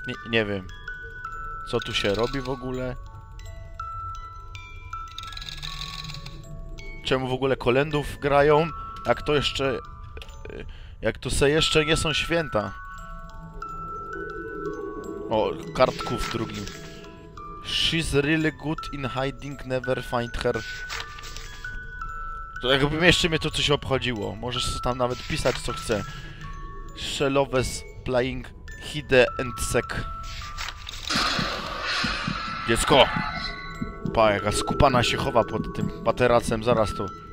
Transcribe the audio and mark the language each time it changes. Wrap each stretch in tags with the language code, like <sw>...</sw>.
<pl>Nie wiem. Co tu się robi w ogóle? Czemu w ogóle kolędów grają? Jak to jeszcze... Jak to se jeszcze nie są święta? O, kartku w drugim.</pl> <en>She's really good in hiding, never find her.</en> <pl>To jakby jeszcze mnie to coś obchodziło. Możesz tam nawet pisać co chce.</pl> <en>She loves playing hide and seek.</en> <pl>Dziecko! Pa, jaka skupana się chowa pod tym materacem, zaraz tu.</pl>